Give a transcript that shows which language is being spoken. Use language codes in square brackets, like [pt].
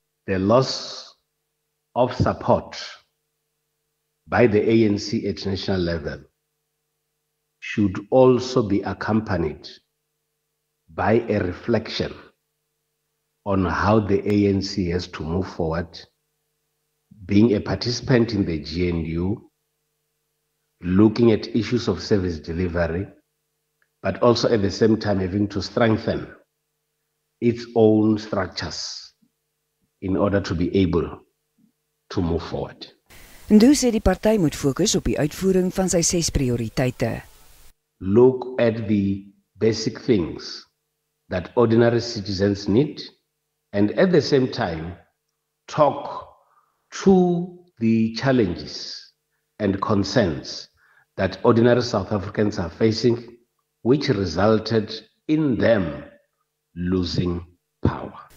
[en] The loss of support by the ANC at national level should also be accompanied by a reflection on how the ANC has to move forward, being a participant in the GNU, looking at issues of service delivery, but also at the same time having to strengthen its own structures in order to be able to move forward. [af] Ndu sê die party moet fokus op die uitvoering van sy 6 prioriteite. [en] Look at the basic things that ordinary citizens need and at the same time talk to the challenges and concerns that ordinary South Africans are facing which resulted in them losing power.